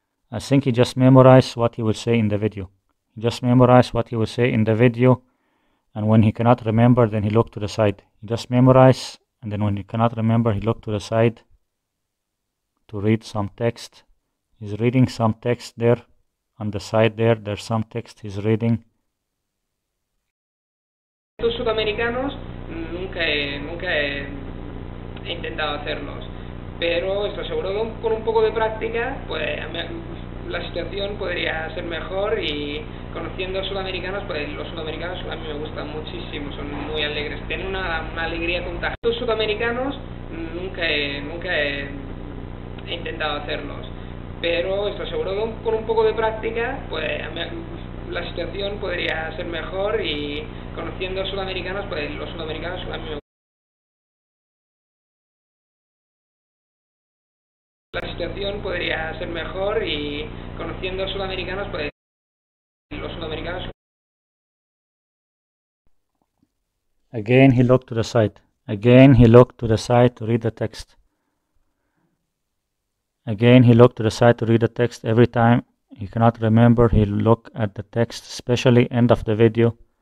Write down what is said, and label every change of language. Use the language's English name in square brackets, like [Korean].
[English] I think he just memorized what he will say in the video. Just memorize what he will say in the video, and when he cannot remember, then he look to the side. Just memorize, and then when he cannot remember, he look to the side to read some text. He's reading some text there on the side there. There's some text he's reading. [Spanish] Los sudamericanos nunca he intentado hacerlos, pero estoy seguro que con un poco de práctica, la situación podría ser mejor. Y conociendo a sudamericanos, pues los sudamericanos a mí me gustan muchísimo, son muy alegres, tienen una alegría contagiosa. Los sudamericanos nunca he intentado hacerlos, pero estoy seguro que con un poco de práctica, pues la situación podría ser mejor. Y conociendo a sudamericanos, pues los sudamericanos a mí me gustan. La situación podría ser mejor y conociendo a sudamericanos, pues los sudamericanos. [English] Again he looked to the side. Again he looked to the side to read the text. Again he looked to the side to read the text. Every time he cannot remember, he look at the text, especially end of the video.